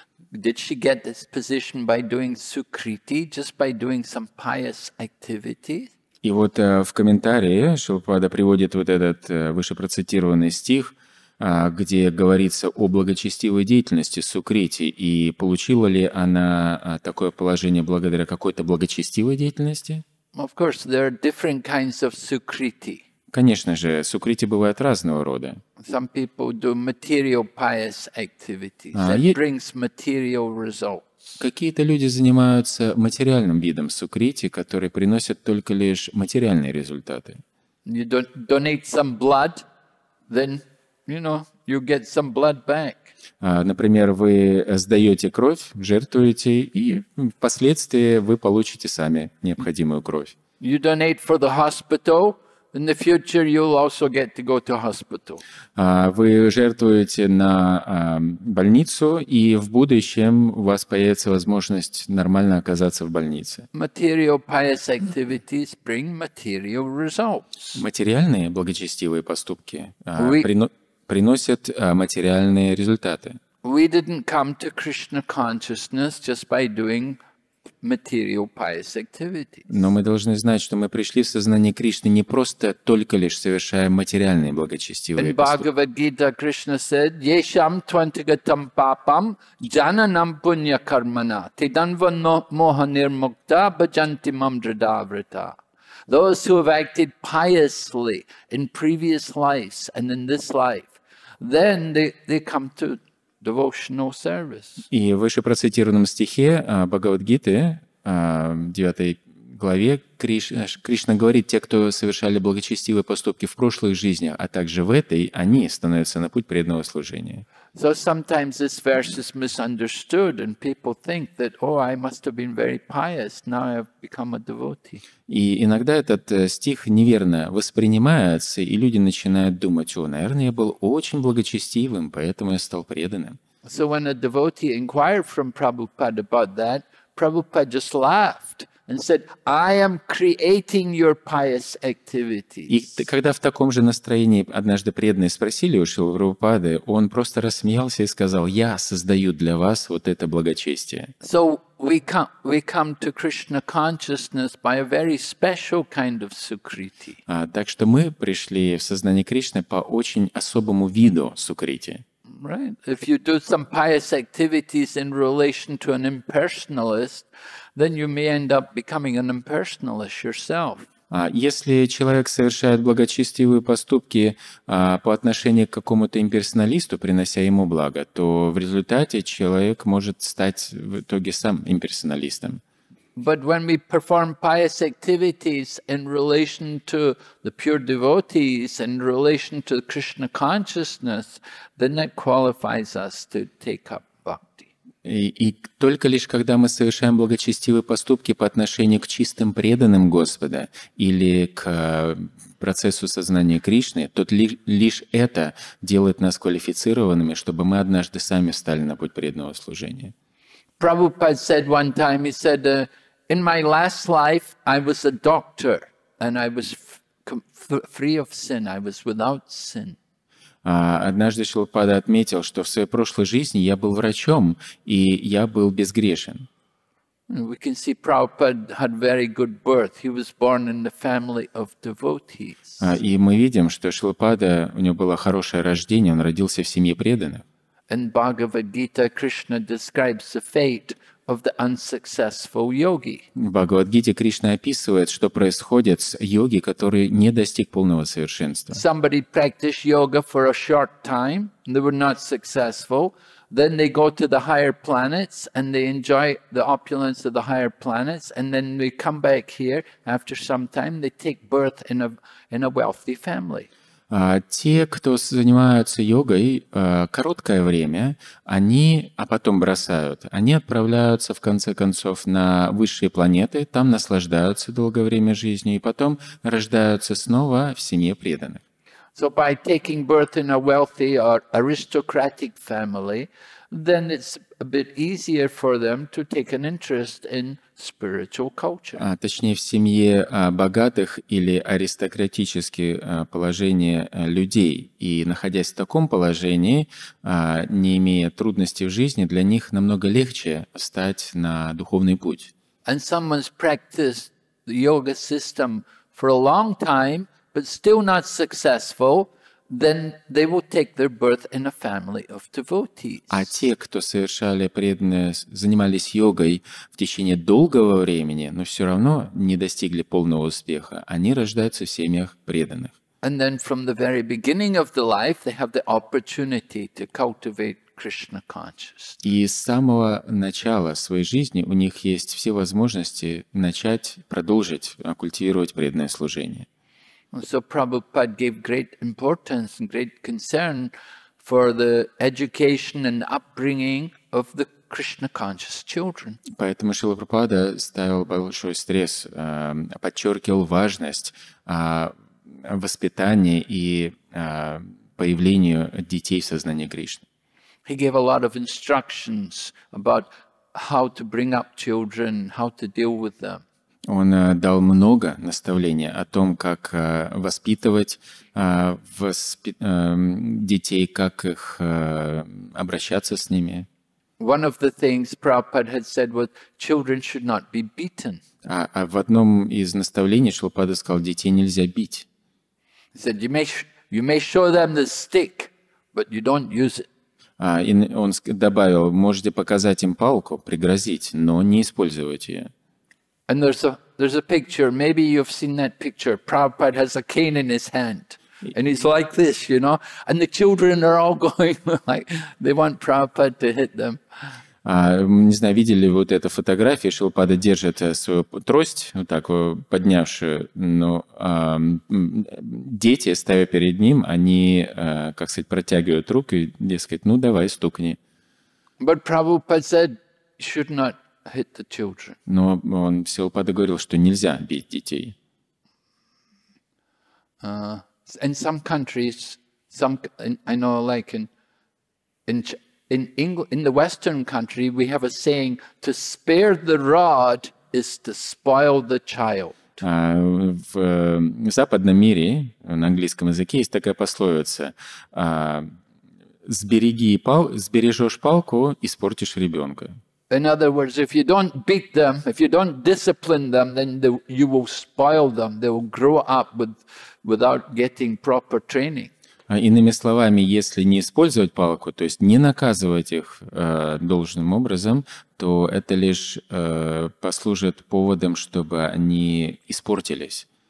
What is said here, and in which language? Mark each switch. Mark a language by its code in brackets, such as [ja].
[en] Did she get this position by doing Sukriti, just by doing some pious activity? [ru] И вот в комментарии Шрила Прабхупада приводит вот этот вышепроцитированный стих, где говорится о благочестивой деятельности Сукрити, и получила ли она такое положение благодаря какой-то благочестивой деятельности? [en] Of course, there are different kinds of Sukriti. [ru] Конечно же, Сукрити бывает разного рода. [en] Some people do material pious activities that brings material results. [ru] Какие-то люди занимаются материальным видом сукрити, которые приносят только лишь материальные результаты. [en] You donate some blood, then, you know, you get some blood back. [ru] Например, вы сдаете кровь, жертвуете, и впоследствии вы получите сами необходимую кровь. [en] you donate for the hospital, in the future you'll also get to go to hospital. [ru] Вы жертвуете на больницу, и в будущем у вас появится возможность нормально оказаться в больнице. [en] Material pious activities bring material results. [ru] Материальные благочестивые поступки приносят материальные результаты. [en] We didn't come to Krishna consciousness just by doing material pious activities. [ru] Но мы должны знать, что мы пришли в сознание Кришны не просто только лишь совершая материальные благочестивые поступки. [en] In Bhagavad-gita, Krishna said, [sa] "Yesham twantigatam papam jananam punya karmana tidanva moha nirmukta bhajanti mam dridavrita." [en] Those who have acted piously in previous lives and in this life, then they come to devotional service. [ru] И в вышепроцитированном стихе Бхагавад-гиты, в 9 главе, Кришна говорит, те, кто совершали благочестивые поступки в прошлых жизнях, а также в этой, они становятся на путь преданного служения. [en] So sometimes this verse is misunderstood, and people think that, oh, I must have been very pious, now I have become a devotee. [ru] И иногда этот стих неверно воспринимается, и люди начинают думать, о, наверное, я был очень благочестивым, поэтому я стал преданным. [en] So when a devotee inquired from Prabhupada about that, Prabhupada just laughed and said, I am creating your pious activities. [ru] И когда в таком же настроении однажды преданные спросили у Шрилы Прабхупады, он просто рассмеялся и сказал, я создаю для вас вот это благочестие. [en] So we come to Krishna consciousness by a very special kind of sukriti. [ru] Так что мы пришли в сознание Кришны по очень особому виду сукрити. [en] Right. If you do some pious activities in relation to an impersonalist, then you may end up becoming an impersonalist yourself. [ru] Если человек совершает благочестивые поступки по отношению к какому-то имперсоналисту, принося ему благо, то в результате человек может стать в итоге сам имперсоналистом. [en] But when we perform pious activities in relation to the pure devotees, in relation to the Krishna consciousness, then that qualifies us to take up bhakti. [ru] И только лишь когда мы совершаем благочестивые поступки по отношению к чистым преданным Господа или к процессу сознания Кришны, то лишь это делает нас квалифицированными, чтобы мы однажды сами встали на путь преданного служения. [en] Prabhupada said one time, he said, in my last life, I was a doctor, and I was free of sin, I was without sin. [ru] Однажды Шилпада отметил, что в своей прошлой жизни я был врачом, и я был безгрешен. [en] We can see Prabhupada had very good birth. He was born in the family of devotees. [ru] И мы видим, что Шилпада, у него было хорошее рождение, он родился в семье преданных. [en] In Bhagavad-gita, Krishna describes the fate of the unsuccessful yogi. [ru] В Бхагавад-гите Кришна описывает, что происходит с йоги, который не достиг полного совершенства. [en] Somebody practiced yoga for a short time, and they were not successful. Then they go to the higher planets, and they enjoy the opulence of the higher planets, and then they come back here after some time, they take birth in a wealthy family. [ru] Те, кто занимаются йогой короткое время, они, а потом бросают, они отправляются в конце концов на высшие планеты, там наслаждаются долгое время жизнью, и потом рождаются снова в семье преданных. [en] So by taking birth in a wealthy or aristocratic family, then it's a bit easier for them to take an interest in spiritual culture. [ru] Точнее, в семье богатых или аристократических положений людей. И находясь в таком положении, не имея трудностей в жизни, для них намного легче встать на духовный путь. [en] And someone's practiced the yoga system for a long time, but still not successful, then they will take their birth in a family of devotees. [ru] А те, кто совершали преданное, занимались йогой в течение долгого времени, но все равно не достигли полного успеха, они рождаются в семьях преданных. [en] And then from the very beginning of the life, they have the opportunity to cultivate Krishna consciousness. [ru] И с самого начала своей жизни у них есть все возможности начать, продолжить, культивировать преданное служение. [en] So Prabhupada gave great importance and great concern for the education and upbringing of the Krishna conscious children. [ru] Поэтому Шрила Прабхупада ставил большой стресс, подчеркивал важность воспитания и появления детей в сознании Кришны. [en] He gave a lot of instructions about how to bring up children, how to deal with them. [ru] Он дал много наставлений о том, как воспитывать детей, как их обращаться с ними. [en] One of the things Prabhupada had said was, children should not be beaten. [ru] А в одном из наставлений Шрила Прабхупада сказал, детей нельзя бить. [en] He said, you may show them the stick, but you don't use it. [ru] И он добавил, можете показать им палку, пригрозить, но не использовать ее. [en] And there's a picture. Maybe you've seen that picture. Prabhupada has a cane in his hand, and he's like this, you know. And the children are all going like they want Prabhupada to hit them. [ru] Не знаю, видели вы вот эту фотографию? Шрила Прабхупада держит свою трость, вот так поднявшую, но дети, ставя перед ним, они, как сказать, протягивают руки и дескать, ну давай стукни. [en] But Prabhupada said, should not. Hit the children. [ru] Но он Шрила Прабхупада говорил, что нельзя бить детей. [en] In some countries, I know, like in England, in the Western country, we have a saying: to spare the rod is to spoil the child. [ru] В западном мире, на английском языке, есть такая пословица: сбережешь палку, испортишь ребенка. [en] In other words, if you don't beat them, if you don't discipline them, then you will spoil them. They will grow up without getting proper training. [ru] Иными словами, если не использовать палку, то есть не наказывать их должным образом, то это лишь послужит поводом, чтобы они испортились.